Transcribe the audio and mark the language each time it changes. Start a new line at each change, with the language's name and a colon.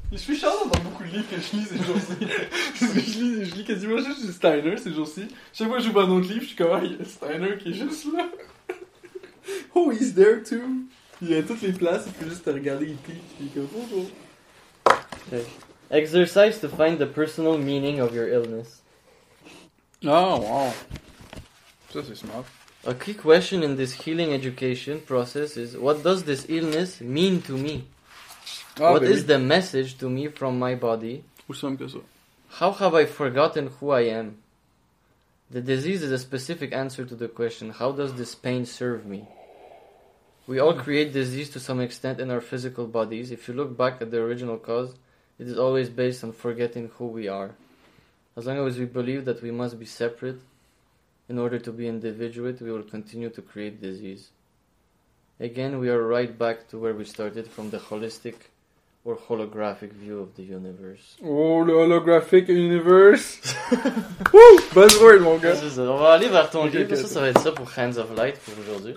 French: Il se fait charlotte dans beaucoup de livres que je lis ces jours-ci. je lis quasiment juste Steiner ces jours-ci. Chaque fois que j'ouvre un autre livre, je suis comme, ah, il y a Steiner qui est juste là.
English: Oh, he's there too.
French: Il y a toutes les places, il peut juste te regarder, il pique, puis il est comme, bonjour. Okay.
English: Exercise to find the personal meaning of your illness.
French: Oh, wow. Ça, c'est smart.
English: A key question in this healing education process is, what does this illness mean to me? Ah, what baby. Is the message to me from my body?
French: Où sommes que ça?
English: How have I forgotten who I am? The disease is a specific answer to the question, how does this pain serve me? We all create disease to some extent in our physical bodies. If you look back at the original cause, it is always based on forgetting who we are. As long as we believe that we must be separate in order to be individuate, we will continue to create disease. Again, we are right back to where we started from the holistic or holographic view of the universe.
French: Oh, le holographic universe! Woo! Buzzword, mon gars! C'est ça. On va aller vers ton livre, okay, ça va être ça pour Hands of Light pour aujourd'hui.